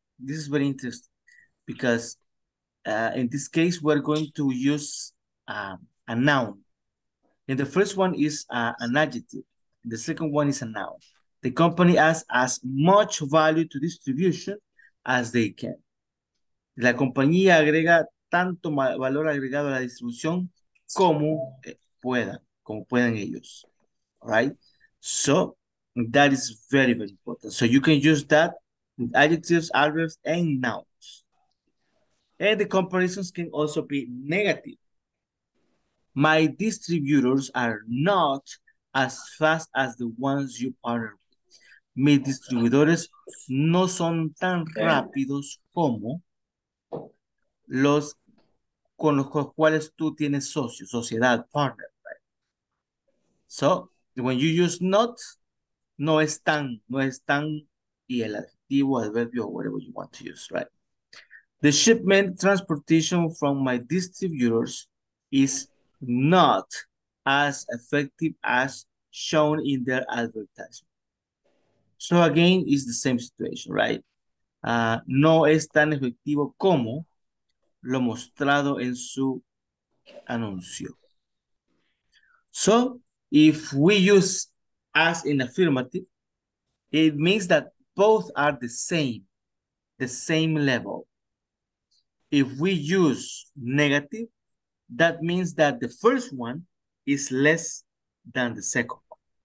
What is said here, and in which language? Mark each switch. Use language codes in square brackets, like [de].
[en] This is very interesting because in this case, we're going to use a noun. And the first one is an adjective. The second one is a noun. The company adds as much value to distribution as they can. [es] La compañía agrega tanto valor agregado a la distribución como puedan, como puedan ellos. [en] All right? So that is very, very important. So you can use that with adjectives, adverbs, and nouns. And the comparisons can also be negative. My distributors are not as fast as the ones you partner with. [es] Mis distribuidores no son tan rápidos como los con los cuales tú tienes socio, sociedad, partner. [en] Right? So, when you use not, [es] no es tan, no es tan, y el adjetivo, adverbio, [en] whatever you want to use, right? The shipment transportation from my distributors is not as effective as shown in their advertisement. So again, it's the same situation, right? [es] No es tan efectivo como lo mostrado en su anuncio. [en] So, if we use as in affirmative, it means that both are the same level. If we use negative, that means that the first one is less than the second one.